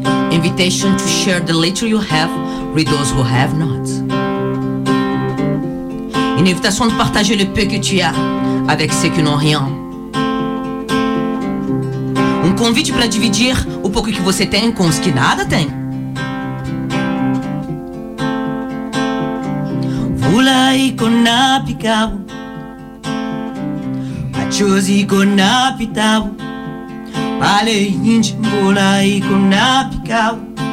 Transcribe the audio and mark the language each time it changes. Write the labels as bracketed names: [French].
[English] Invitation to share the little you have with those who have not. [French] Une invitation de partager le peu que tu as avec ceux qui n'ont rien. [Portuguese] Un convite para dividir o pouco que você tem com os que nada têm. Vula e conapicabo. Achos e conapitabo. Vale indi, vula e conapicabo.